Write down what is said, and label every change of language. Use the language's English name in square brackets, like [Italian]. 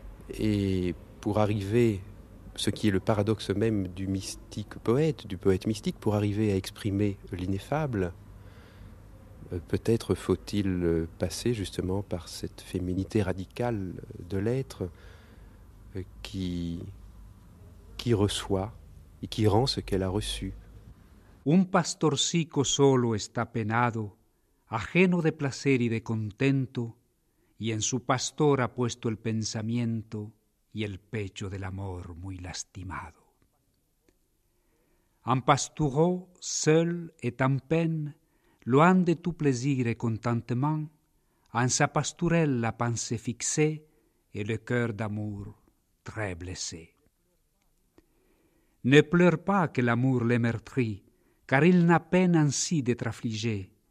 [French] Et pour arriver, ce qui est le paradoxe même du mystique poète, du poète mystique, pour arriver à exprimer l'ineffable, peut-être faut-il passer justement par cette féminité radicale de l'être qui reçoit et qui rend ce qu'elle a reçu. [Spanish] Un pastorcico solo está penado, ajeno de placer y de contento, y en su pastor ha puesto el pensamiento y el pecho del amor muy lastimado. [French] Un pastoureau seul et en peine, loin de tout plaisir et contentement, en sa pastourelle la pensée fixée et le cœur d'amour très blessé. Ne pleure pas que l'amour l'ait meurtri, car il n'a peine ainsi d'être affligé.